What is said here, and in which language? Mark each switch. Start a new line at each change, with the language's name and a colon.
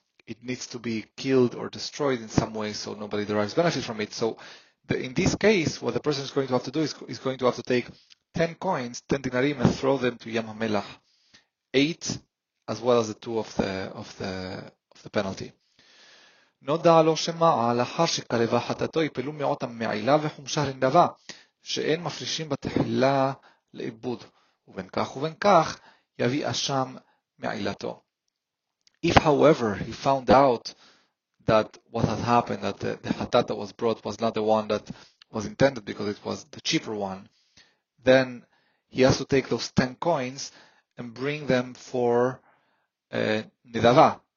English: It needs to be killed or destroyed in some way so nobody derives benefit from it. So in this case, what the person is going to have to do is going to have to take 10 coins, 10 dinarim, and throw them to Yam HaMelech, 8 as well as the 2 of the penalty.
Hebrew: נודע לו שמעה לאחר שקרבה חטאתו יפלו מאות המעילה וחומשה לנדבה, שאין מפרישים בתחילה לאיבוד, ובין כך ובין כך יביא אשם מעילתו.
English: If, however, he found out that what had happened, that the hatat that was brought was not the one that was intended because it was the cheaper one, then he has to take those 10 coins and bring them for nidava.